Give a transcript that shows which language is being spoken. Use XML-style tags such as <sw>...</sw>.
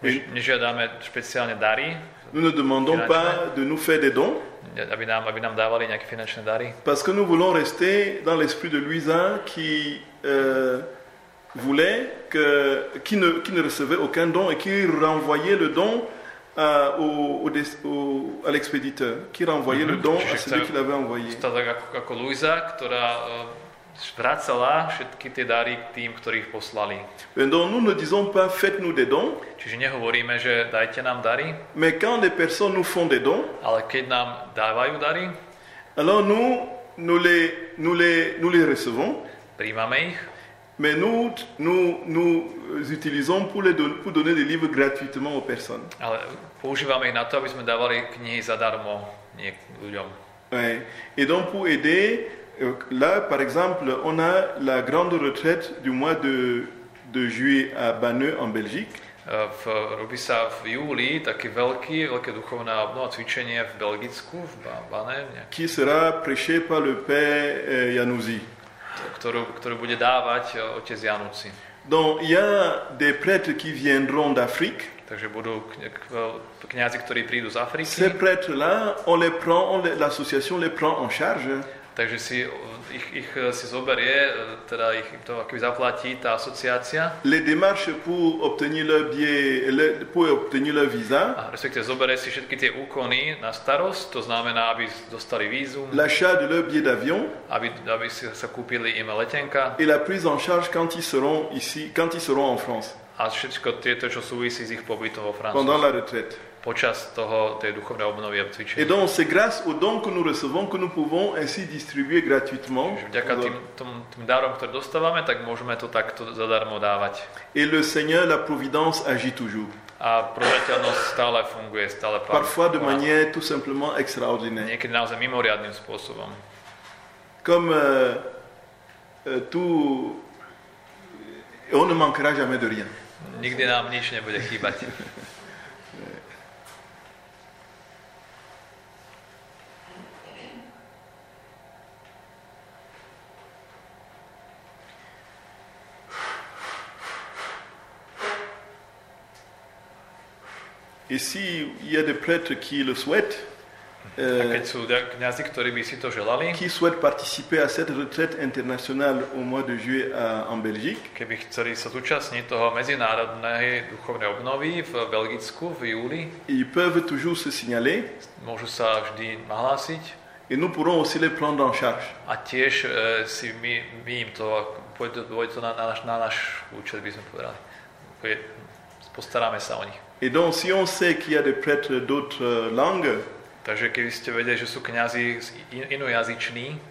<sk>Nežiadame špeciálne dary.</sk> <fr>Nous ne demandons pas de nous faire des dons.</fr> <sk>Aby nám dávali nejaké finančné dary.</sk> <fr>Parce que nous voulons rester dans l'esprit de Louis I qui voulait que qui ne recevait aucun don et qui renvoyait le don à l'expéditeur, qui renvoyait le don à celui qui l'avait envoyé.</fr> <sk>Ako Louisa, ktorá vracala všetky tie dary k tým, ktorí ich poslali.</sk> <fr>Donc nous ne disons pas faites-nous des dons.</fr> <sk>Čiže nehovoríme, že dajte nám dary.</sk> <fr>Mais quand les personnes nous font des dons,</fr> <sk>ale keď nám dávajú dary,</sk> <fr>alors nous les recevons.</fr> <sk>Príjmame ich.</sk> <fr>Mais nous utilisons pour donner des livres gratuitement aux personnes.</fr> <sk>Ale používame ich na to, aby sme dávali knihy zadarmo ľuďom. Ouais.</sk> <fr>Et donc pour aider, là par exemple, on a la grande retraite du mois de juillet à Banneux en Belgique.</fr> <sk>Robí sa v júli taký veľké duchovné obnova cvičenie v Belgicku, v Banneux.</sk> <fr>Qui sera prêché par le père Januzzi.</fr> <sk>Ktorú bude dávať otec Janúci.</sk> <fr>Donc il y a des prêtres qui viendront d'Afrique.</fr> <sk>Takže budú kňazi, ktorí prídu z Afriky.</sk> <fr>Ces prêtres là, l'association les prend en charge.</fr> <sk>Takže si ich si zoberie, teda ich to akoby zaplatí tá asociácia.</sk> <fr>Les démarches pour obtenir leur billet, pour obtenir leur visa.</fr> <sk>A respektive zoberie si všetky tie úkony na starost, to znamená, aby dostali vízum.</sk> <fr>L'achat de leur billet d'avion.</fr> <sk>Aby si sa kúpili im letenka.</sk> <fr>Et la prise en charge quand ils seront en France.</fr> <sk>A všetko tieto, čo súvisí s ich pobytom vo Francii.</sk> <fr>Pendant la retraite.</fr> <sk>Počas toho tej duchovnej obnovy a cvičenia.</sk> <fr>Et donc c'est grâce aux dons que nous recevons que nous pouvons ainsi distribuer gratuitement.</fr> <sk>Vďaka tým darom, ktoré dostávame, tak môžeme to takto zadarmo dávať.</sk> <fr>Et le Seigneur, la providence agit toujours.</fr> <sk>A prozreteľnosť stále funguje, stále pravda.</sk> <fr>Parfois de manière tout simplement extraordinaire.</fr> <sk>Niekedy naozaj mimoriadnym spôsobom.</sk> <fr>Comme tout, on ne manquera jamais de rien.</fr> <sk>Nikdy nám nič nebude chýbať.</sk> <fr>Et si il y a des prêtres qui le souhaitent,</fr> <sk>kňazi, ktorí by si to želali,</sk> <fr>qui souhaitent participer à cette retraite internationale au mois de juillet en Belgique,</fr> <sk>keby chceli sa zúčastniť toho medzinárodnej duchovnej obnovy v Belgicku v júli,</sk> <fr>ils peuvent toujours se signaler,</fr> <sk>môžu sa vždy nahlásiť,</sk> <fr>et nous pourrons aussi les prendre en charge.</fr> <sk>A tiež si my im to pôjde na náš účet, by sme povedali. Postaráme sa o nich.</sk> <fr>Et donc si on sait qu'il y a des prêtres d'autres langues,</fr> <sk>takže keby ste vedeli, že sú kňazi inojazyční,</sk>